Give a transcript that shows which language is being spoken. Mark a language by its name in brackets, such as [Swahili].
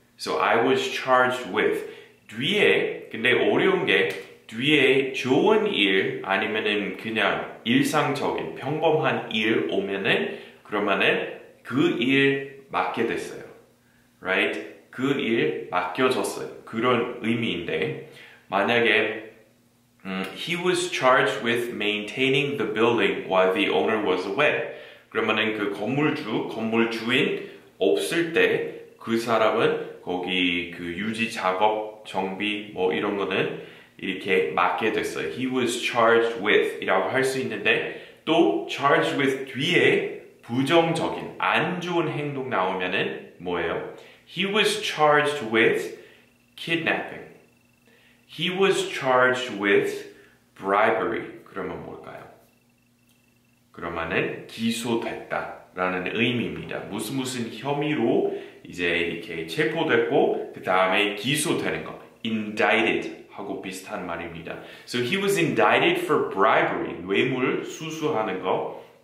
[English] So I was charged with [Korean] 뒤에 근데 어려운 게 뒤에 좋은 일 아니면은 그냥 일상적인 평범한 일 오면은 그러면은 그 일 맡게 됐어요. Right? 그 일 맡겨졌어요. 그런 의미인데 만약에 [English] he was charged with maintaining the building while the owner was away. [Korean] 그러면은 그 건물주인 없을 때 그 사람은 거기 그 유지 작업, 정비 뭐 이런 거는 이렇게 맡게 됐어요. [English] He was charged with [Korean] 이라고 할 수 있는데 또 charged with 뒤에 부정적인 안 좋은 행동 나오면은 뭐예요? [English] He was charged with kidnapping. He was charged with [Korean] bribery 그러면 뭘까요? 그러면은 기소됐다 라는 의미입니다. 무슨 무슨 혐의로 이제 이렇게 체포됐고 그 다음에 기소되는 거 indicted 하고 비슷한 말입니다. [English] So he was indicted for bribery, [Korean] 뇌물 수수하는 거.